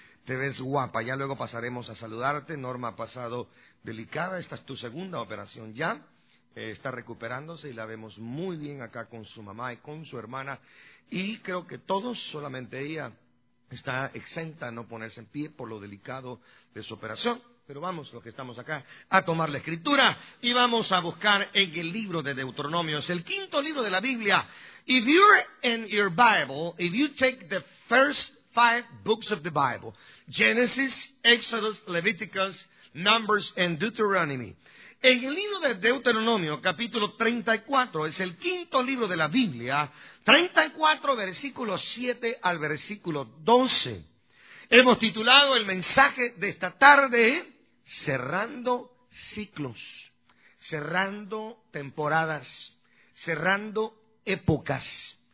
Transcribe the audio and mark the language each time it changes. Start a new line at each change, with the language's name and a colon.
Spanish: Te ves guapa, ya luego pasaremos a saludarte. Norma ha pasado delicada, esta es tu segunda operación ya, está recuperándose y la vemos muy bien acá con su mamá y con su hermana. Y creo que todos, solamente ella, está exenta a no ponerse en pie por lo delicado de su operación. Pero vamos, los que estamos acá, a tomar la escritura y vamos a buscar en el libro de Deuteronomios, el quinto libro de la Biblia.
English: If you're in your Bible, if you take the first five books of the Bible, Genesis, Exodus, Leviticus, Numbers, and Deuteronomy.
Spanish: En el libro de Deuteronomio, capítulo 34, es el quinto libro de la Biblia, 34, versículo 7 al versículo 12. Hemos titulado el mensaje de esta tarde, Cerrando Ciclos, Cerrando Temporadas, Cerrando Épocas.